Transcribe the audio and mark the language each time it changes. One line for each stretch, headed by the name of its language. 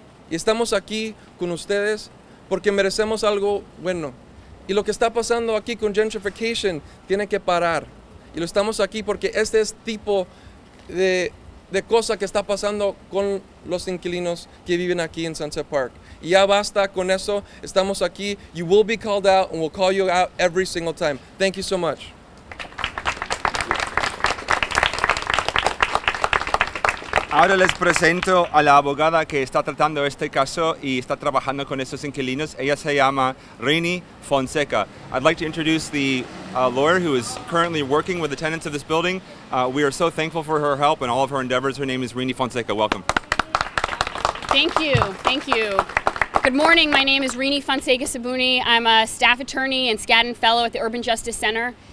Spanish: Y estamos aquí con ustedes porque merecemos algo bueno. Y lo que está pasando aquí con gentrification tiene que parar. Y lo estamos aquí porque este es tipo de cosa que está pasando con los inquilinos que viven aquí en Sunset Park. Y ya basta con eso, estamos aquí.
English: You will be called out and we'll call you out every single time. Thank you so much.
Spanish: Ahora les presento a la abogada que está tratando este caso y está trabajando con estos inquilinos. Ella se llama Rini Fonseca.
English: I'd like to introduce the lawyer who is currently working with the tenants of this building. We are so thankful for her help and all of her endeavors. Her name is Rini Fonseca. Welcome. Thank you. Thank you. Good morning. My name is Rini Fonseca Sabuni. I'm a staff attorney and Skadden Fellow at the Urban Justice Center.